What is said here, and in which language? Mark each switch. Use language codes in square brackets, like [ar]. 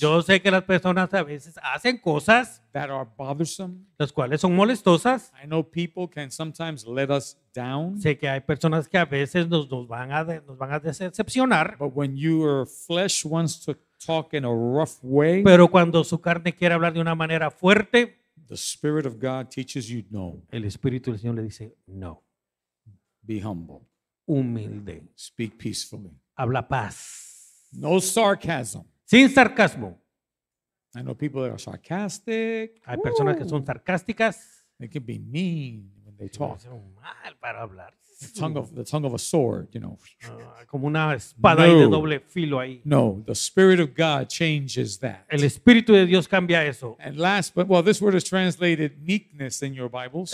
[es] Yo sé que las personas a veces hacen cosas [en] that are bothersome. [es] Las cuales son molestosas. [en] I know people can sometimes let us down. [es] Sé que hay personas que a veces nos van a decepcionar. [en] But when your flesh wants to talk in a rough way, [es] pero cuando su carne quiere hablar de una manera fuerte, [en] the spirit of God teaches you no. [es] El espíritu del Señor le dice no. [en] Be humble. [es] Humilde. [en] Speak peacefully. [es] Habla paz. [en] No sarcasm. [es] Sin sarcasmo. [en] I know people that are sarcastic. [es] Hay personas que son sarcásticas. [en] They can be mean when they talk. [es] Son mal para hablar. [en] The tongue of a sword, you know. [es] Como una espada ahí de doble filo ahí. [en] No, the Spirit of God changes that. [es] El Espíritu de Dios cambia eso. [en] And last, but well, this word is translated meekness in your Bibles.